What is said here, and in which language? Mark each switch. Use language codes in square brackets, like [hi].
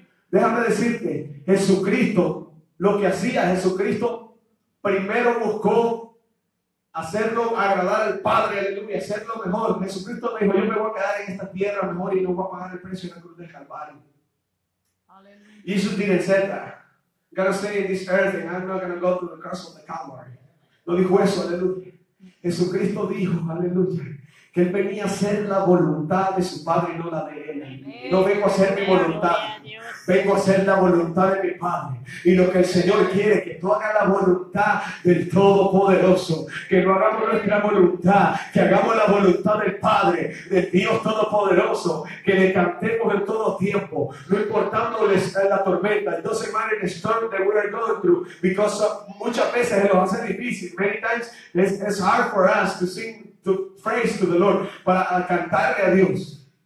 [es] Déjame decirte, Jesucristo, lo que hacía, Jesucristo primero buscó hacerlo agradar al Padre, aleluya, hacerlo mejor. Jesucristo me dijo, yo me voy a quedar en esta tierra mejor y no voy a pagar el precio en la cruz del Calvario. Y eso tiene etcétera. [en] Gonna stay in this earth and I'm not gonna go to the cross of the Calvary. [es] Lo dijo eso, aleluya. Jesucristo dijo, aleluya, que él venía a hacer la voluntad de su Padre y no la de él. No vengo a hacer mi voluntad, vengo a hacer la voluntad de mi Padre. Y lo que el Señor quiere, que tú hagas la voluntad del Todopoderoso, que no hagamos nuestra voluntad, que hagamos la voluntad del Padre, del Dios Todopoderoso, que le cantemos en todo tiempo, no importando la tormenta. [en] It doesn't matter the storm that we are going through, because [es] muchas veces nos hace difícil. [en] Many times it's hard for us to sing, to praise to the Lord, [es] para cantarle a Dios.